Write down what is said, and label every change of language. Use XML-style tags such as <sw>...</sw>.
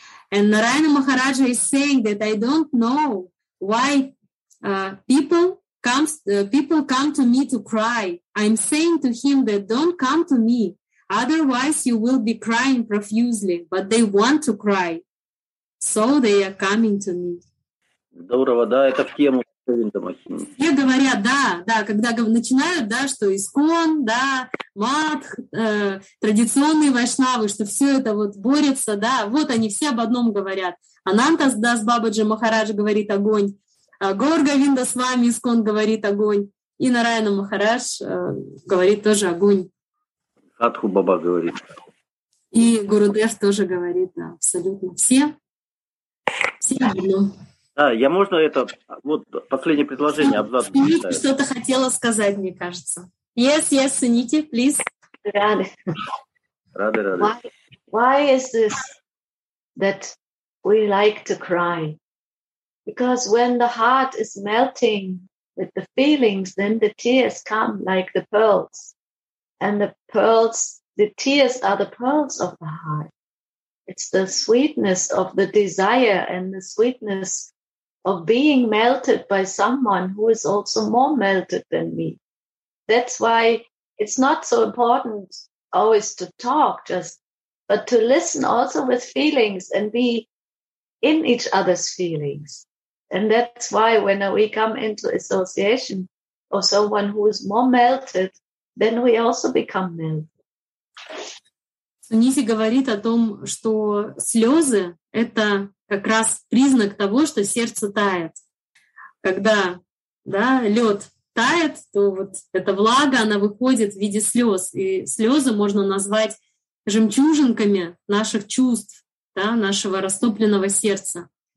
<en>And Narayana Maharaja is saying that I don't know why people come to me to cry. I'm saying to him that don't come to me, otherwise you will be crying profusely. But they want to cry, so they are coming to me.</en> <ru>Здорово, да, это в тему. Все говорят, да, когда начинают, да, что искон, да, матх, традиционные вайшнавы, что все это вот борется, да, вот они все об одном говорят. Ананта Дас Бабаджи Махарадж говорит огонь, Гаура Говинда Свами искон говорит огонь, и Нараяна Махарадж говорит тоже огонь. Садху Баба говорит. И Гурудев тоже говорит, да, абсолютно. Все об одном. А, я можно это, вот, последнее предложение, абзац? Что-то хотела сказать, мне кажется.</ru> <en>Yes, Suniti, please.</en> <ru>Рады.</ru> <en>Why is this that we like to cry? Because when the heart is melting with the feelings, then the tears come like the pearls. And the tears are the pearls of the heart. It's the sweetness of the desire and the sweetness of being melted by someone who is also more melted than me. That's why it's not so important always to talk, but to listen also with feelings and be in each other's feelings. And that's why when we come into association of someone who is more melted, then we also become melted.</en> <ru>Нити говорит о том, что слезы — это как раз признак того, что сердце тает. Когда, да, лед тает, то вот эта влага, она выходит в виде слез. И слезы можно назвать жемчужинками наших чувств, да, нашего растопленного сердца.</ru>